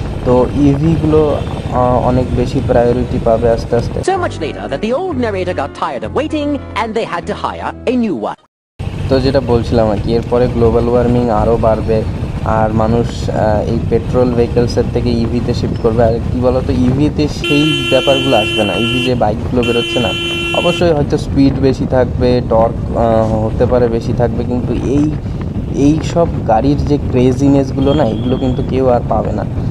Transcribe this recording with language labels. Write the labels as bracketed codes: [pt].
[bn] তো ইভিগুলো অনেক বেশি প্রায়োরিটি পাবে আস্তে আস্তে। [en] So much later that the old narrator got tired of waiting and they had to hire a new one. [bn] তো যেটা বলছিলাম আর কি, এরপরে গ্লোবাল ওয়ার্মিং আরও বাড়বে আর মানুষ এই পেট্রোল ভেহিকলসের থেকে ইভিতে শিফট করবে। আর কী বলতো, ইভিতে সেই ব্যাপারগুলো আসবে না, ইভি যে বাইকগুলো বেরোচ্ছে না, অবশ্যই হয়তো স্পিড বেশি থাকবে, টর্ক হতে পারে বেশি থাকবে, কিন্তু এই এই সব গাড়ির যে ক্রেজিনেসগুলো না, এগুলো কিন্তু কেউ আর পাবে না।